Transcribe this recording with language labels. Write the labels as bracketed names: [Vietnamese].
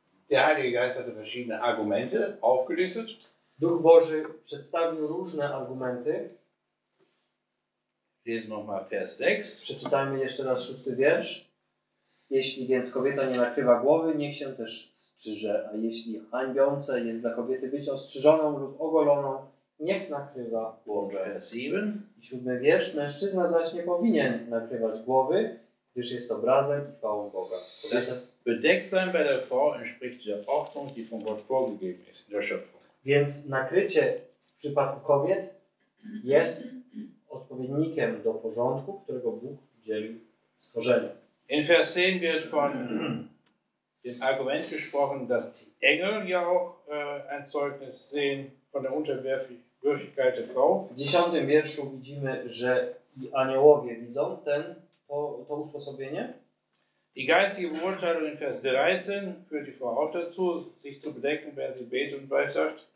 [German] Der Heilige Geist hatte verschiedene Argumente aufgelistet. [Polish] Duch Boży przedstawił różne argumenty. [German] Lesen nochmal Vers 6. [Polish] Przeczytajmy jeszcze raz szósty wiersz. Jeśli więc kobieta nie nakrywa głowy, niech się też strzyże. A jeśli hańbiące jest dla kobiety być ostrzyżoną lub ogoloną, niech nakrywa głowę. [German] Vers 7. [Polish] I siódmy wiersz. Mężczyzna zaś nie powinien nakrywać głowy, gdyż jest obrazem i chwałą Boga. Kobieta... [German] Bedeckt sein bei der Frau entspricht der Ordnung, die von Gott vorgegeben ist in der Schöpfung. [Polish] Więc nakrycie w przypadku kobiet jest odpowiednikiem do porządku, którego Bóg dzielił stworzenie. [German] In Vers 10 wird von dem Argument gesprochen, dass die Engel ja auch ein Zeugnis sehen von der Unterwürfigkeit der Frau. [Polish] W 10 wierszu widzimy, że i aniołowie widzą to usposobienie. [German] Die geistige Beurteilung in Vers 13 führt die Frau auch dazu, sich zu bedecken, wenn sie betet und weissagt.